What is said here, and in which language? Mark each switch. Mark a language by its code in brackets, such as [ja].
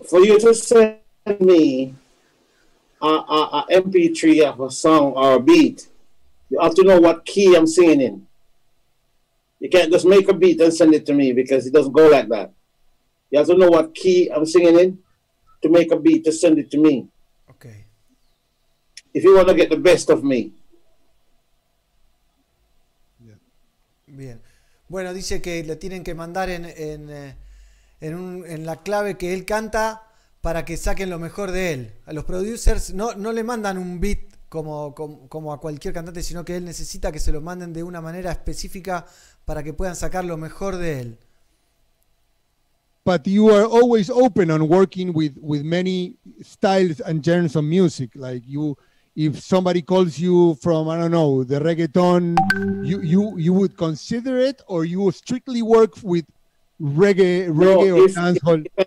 [en] For you to send me a MP3 of a song or a beat, you have to know what key I'm singing in. You can't just make a beat and send it to me because it doesn't go like that. You have to know what key I'm singing in. To make a beat, to send it to me. Okay. If you want to get the best of me. Yeah. Bien. [es] Bueno, dice que le tienen que mandar en la clave que él canta para que saquen lo mejor de él. A los producers no le mandan un beat como a cualquier cantante, sino que él necesita que se lo manden de una manera específica para que puedan sacar lo mejor de él. [en] But you are always open on working with many styles and genres of music. Like you, if somebody calls you from, I don't know, the reggaeton, you would consider it, or you strictly work with reggae or dancehall?